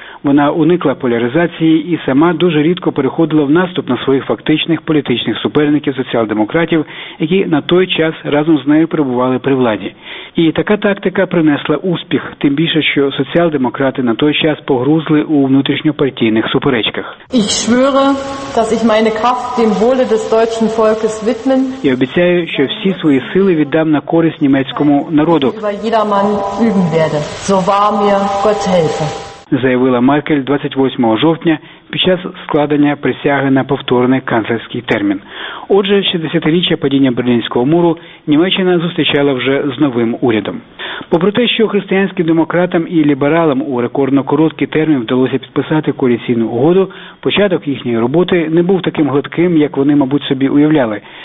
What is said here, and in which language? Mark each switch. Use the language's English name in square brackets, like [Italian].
[Ukrainian] Вона уникла поляризації і сама дуже рідко переходила в наступ на своїх фактичних політичних суперників соціал-демократів, які на той час разом з нею перебували при владі. І така тактика принесла успіх, тим більше, що соціал-демократи на той час погрузли у внутрішньопартійних суперечках. [German] Ich schwöre, dass ich meine Kraft dem Wohle des deutschen Volkes widmen. [Ukrainian] Я обіцяю, що всі свої сили віддам на користь німецькому народу. [German] Über jedermann üben werde. So wahr mir Gott helfe. [Ukrainian] Заявила Меркель 28 жовтня. під час складення присяги на повторний канцлерський термін. Отже, 60-річчя падіння Берлінського муру Німеччина зустрічала вже з новим урядом. Попри те, що християнським демократам і лібералам у рекордно короткий термін вдалося підписати коаліційну угоду, початок їхньої роботи не був таким гладким, як вони, мабуть, собі уявляли.